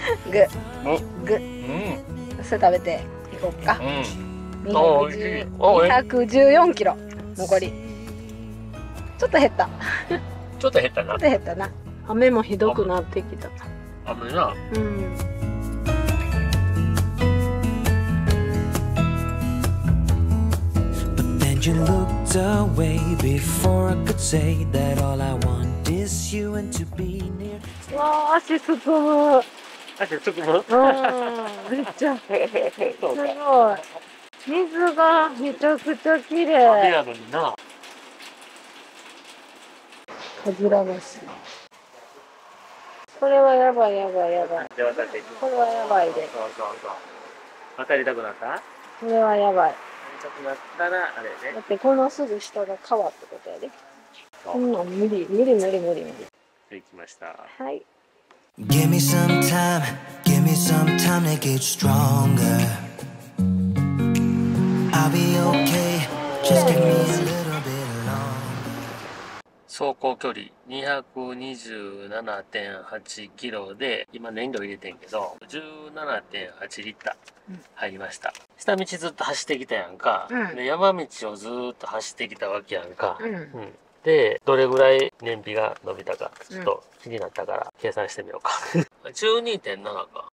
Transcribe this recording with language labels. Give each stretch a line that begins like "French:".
Japanese: ぐっ、ぐっ、うん、それ食べて、いこっか。うん、あ、美味しい。 214キロ、残りちょっと減ったちょっと減ったな。ちょっと減ったな。雨もひどくなってきた。雨な。
English: うん、you looked away before I could say that all I want is you and to be near.
Japanese: わあ、足つくむ。足つくむ。うん、めっちゃすごい。水がめちゃくちゃ綺麗。雨やのにな。かずら橋。これはやばいやばいやばい。で、渡って。これはやばいで。そうそうそう。渡りたくなった？これはやばい。ちょっとなったらあれね。だってこのすぐ下が川ってことやで。こんなん無理無理無理無理無理。できました。はい。
English: Give me some time, give me some time to get stronger. I'll be okay, just give me a little bit longer.
Japanese: 走行距離 227.8km で、今燃料入れてんけど 17.8L 入りました。うん、下道ずっと走ってきたやんか、うん、で山道をずっと走ってきたわけやんか、うんうん、でどれぐらい燃費が伸びたかちょっと気になったから計算してみようか12.7 か。